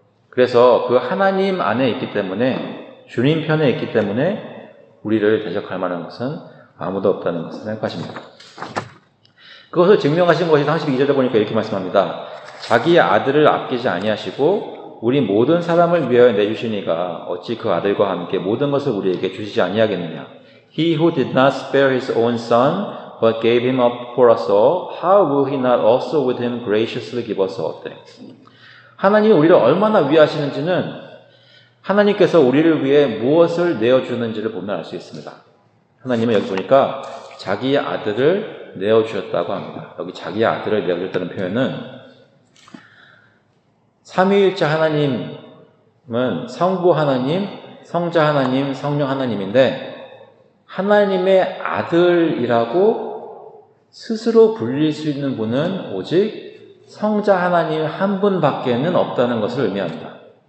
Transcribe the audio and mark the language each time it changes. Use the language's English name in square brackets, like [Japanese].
[Korean] 그래서 그 하나님 안에 있기 때문에, 주님 편에 있기 때문에 우리를 대적할 만한 것은 아무도 없다는 것을 생각하십니다. 그것을 증명하신 것이 32절에 보니까 이렇게 말씀합니다. 자기 아들을 아끼지 아니하시고 우리 모든 사람을 위하여 내주시니가 어찌 그 아들과 함께 모든 것을 우리에게 주시지 아니하겠느냐. [English] He who did not spare his own son but gave him up for us all, how will he not also with him graciously give us all things? [Korean] 하나님이 우리를 얼마나 위하시는지는 하나님께서 우리를 위해 무엇을 내어주는지를 보면 알 수 있습니다. 하나님은 여기 보니까 자기 아들을 내어주셨다고 합니다. 여기 자기 아들을 내어주셨다는 표현은 삼위일체 하나님은 성부 하나님, 성자 하나님, 성령 하나님인데 하나님의 아들이라고 스스로 불릴 수 있는 분은 오직 성자 하나님 한 분밖에는 없다는 것을 의미합니다.